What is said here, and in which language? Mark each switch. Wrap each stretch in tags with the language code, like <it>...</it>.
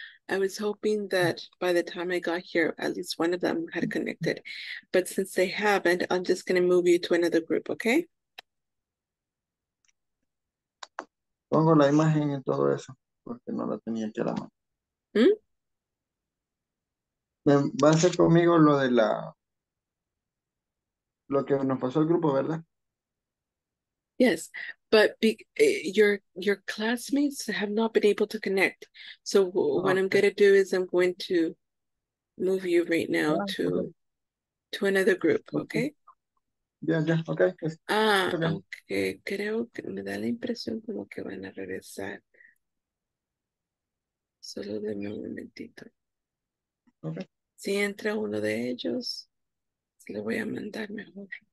<en>I was hoping that by the time I got here, at least one of them had connected. But since they haven't, I'm just going to move you to another group, okay?</en> <es>Pongo la imagen en todo eso, porque no la tenía aquí a la mano. ¿Mm? Va a ser conmigo lo de la... Lo que nos pasó al grupo, ¿verdad?</es> <en>Yes, but your classmates have not been able to connect. So what okay. I'm going to do is I'm going to move you right now to another group, okay? Yeah, okay. Okay.</en> <es>Creo que me da la impresión como que van a regresar. Solo denme un momentito.</es> <en>Okay.</en> <es>Si entra uno de ellos... Le voy a mandar mejor.</es>